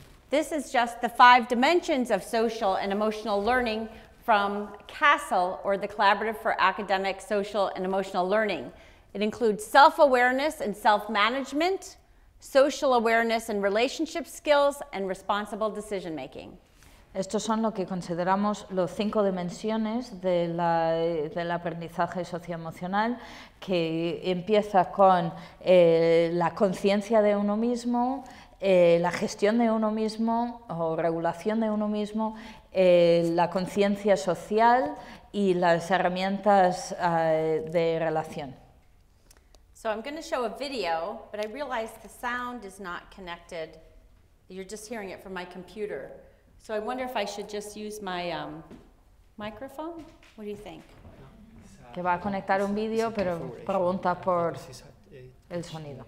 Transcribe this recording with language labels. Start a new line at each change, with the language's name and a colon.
English: This is just the five dimensions of social and emotional learning from CASEL, or the Collaborative for Academic, Social and Emotional Learning. It includes self-awareness and self-management, social awareness and relationship skills, and responsible decision-making.
Spanish: Estos son lo que consideramos los cinco dimensiones de la, del aprendizaje socioemocional, que empieza con la conciencia de uno mismo, la gestión de uno mismo o regulación de uno mismo, la conciencia social y las herramientas de relación.
English: So I'm going to show a video, but I realize the sound is not connected. You're just hearing it from my computer. So I wonder if I should just use my microphone. What do you think?
Spanish: Que va a conectar un video, pero pregunta por el sonido.